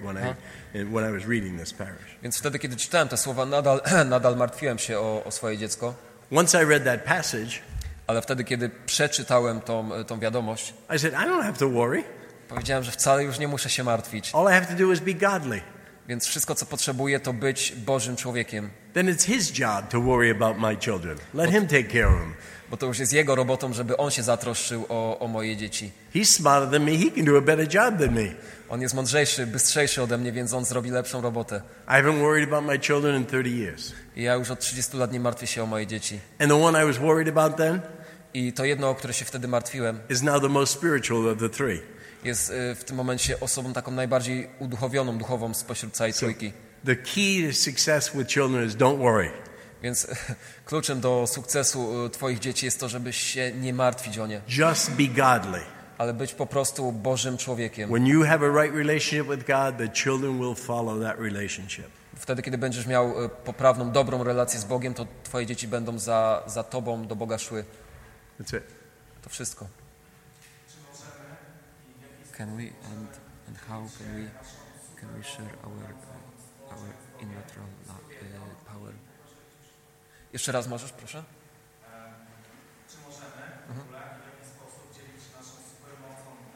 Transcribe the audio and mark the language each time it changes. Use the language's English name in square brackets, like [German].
[English] when I was reading this parish. [Polish] Więc wtedy, kiedy czytałem te słowa, nadal martwiłem się o swoje dziecko. [English] Once I read that passage, [Polish] ale wtedy, kiedy przeczytałem tą wiadomość, [English] I said, I don't have to worry. [Polish] Powiedziałem, że wcale już nie muszę się martwić. [English] All I have to do is be godly. [Polish] Więc wszystko, co potrzebuję, to być Bożym człowiekiem. [English] Then it's his job to worry about my children. Let him take care of them. [Polish] Bo to już jest jego robotą, żeby on się zatroszczył o moje dzieci. [English] He's smarter than me. He can do a better job than me. [Polish] On jest mądrzejszy, bystrzejszy ode mnie, więc on zrobi lepszą robotę. [English] I haven't worried about my children in 30 years. [Polish] Ja już od 30 lat nie martwię się o moje dzieci. [English] And the one I was worried about then. [Polish] I to jedno, o które się wtedy martwiłem. [English] Is now the most spiritual of the three. [Polish] Jest w tym momencie osobą taką najbardziej uduchowioną, duchową spośród całej trójki. [English] The key to success with children is don't worry. [Polish] Więc kluczem do sukcesu twoich dzieci jest to, żeby się nie martwić o nie. [English] Just be godly. [Polish] Ale być po prostu Bożym człowiekiem. [English] When you have a right relationship with God, the children will follow that relationship. [Polish] Wtedy, kiedy będziesz miał poprawną, dobrą relację z Bogiem, to twoje dzieci będą za tobą do Boga szły. [English] That's it. [Polish] To wszystko. [English] Can we and how can we share our innatural power? [Polish] Jeszcze raz możesz, proszę? Czy możemy w jakiś sposób dzielić naszą supermocą?